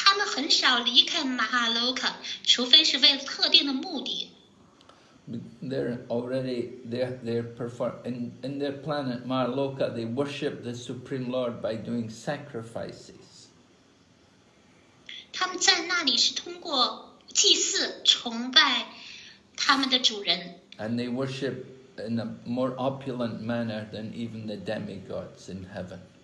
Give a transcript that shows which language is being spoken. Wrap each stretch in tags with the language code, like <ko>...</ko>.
<zh>很少离开马哈洛卡，除非是为了特定的目的。</zh> <en>They're already they're perform in their planet Mahaloka. They worship the Supreme Lord by doing sacrifices.</en> <zh>他们在那里是通过祭祀崇拜他们的主人。</zh> <en>And they worship in a more opulent manner than even the demigods in heaven.</en>